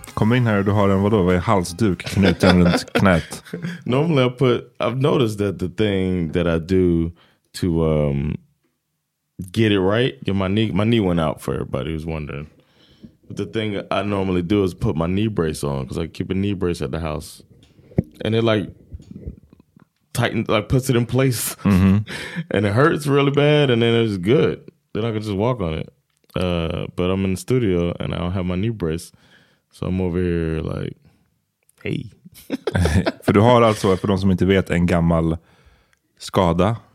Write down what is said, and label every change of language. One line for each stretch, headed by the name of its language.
Swedish: Kom in här, du har en, vadå, vad är halsduk knuten runt knät?
English: Normally I've noticed that the thing that I do to get it right, get my knee went out for everybody who's wondering. But the thing I normally do is put my knee brace on, because I keep a knee brace at the house. And it like tightens, like puts it in place. Mm-hmm. And it hurts really bad, and then it's good. Then I can just walk on it. But I'm in the studio and I don't have my knee brace. So I'm over here like, hey.
Swedish: För du har alltså, för de som inte vet, en gammal skada.